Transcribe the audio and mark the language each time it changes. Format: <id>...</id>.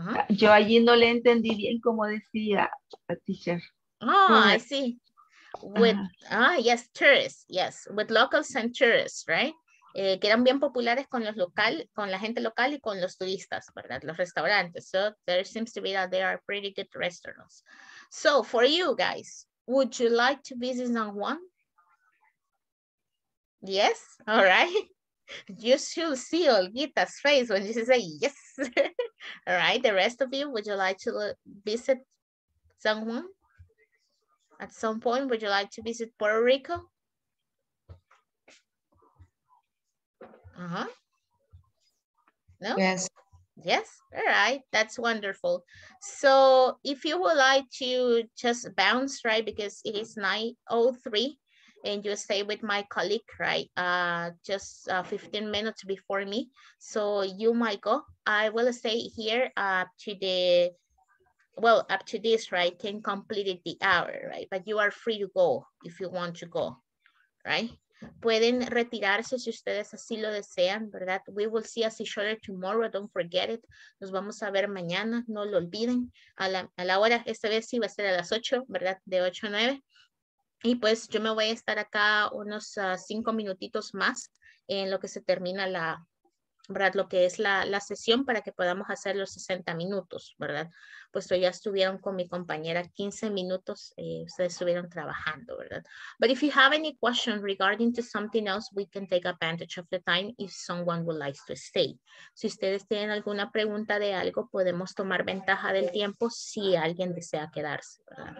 <es>Yo allí no le entendí bien como decía la teacher.</es> <en>Oh, I see. With locals and tourists, right?</en> <es>Que eran bien populares con los local, con la gente local y con los turistas, ¿verdad? Los restaurantes.</es> <en>So there seems to be that they are pretty good restaurants. So for you guys, would you like to visit San Juan? Yes, all right. You should see Olguita's face when she say yes. All right, the rest of you, would you like to visit San Juan? At some point, would you like to visit Puerto Rico? Uh-huh. No? Yes. Yes, all right, that's wonderful. So if you would like to just bounce, right, because it is 9:03 and you stay with my colleague, right, just 15 minutes before me. So you, Michael, I will stay here up to this, right, can complete the hour, right, but you are free to go if you want to go, right?</en> <es>Pueden retirarse si ustedes así lo desean, ¿verdad?</es> <en>We will see us each other tomorrow, don't forget it.</en> <es>Nos vamos a ver mañana, no lo olviden. A la hora, esta vez sí va a ser a las 8, ¿verdad? De 8 a 9. Y pues yo me voy a estar acá unos 5 minutitos más en lo que se termina la, ¿verdad? Lo que es la sesión para que podamos hacer los 60 minutos, ¿verdad? Puesto ya estuvieron con mi compañera 15 minutos, ustedes estuvieron trabajando, ¿verdad?</es> <en>But if you have any question regarding to something else, we can take advantage of the time if someone would like to stay.</en> <es>Si ustedes tienen alguna pregunta de algo, podemos tomar ventaja del tiempo si alguien desea quedarse, ¿verdad?</es>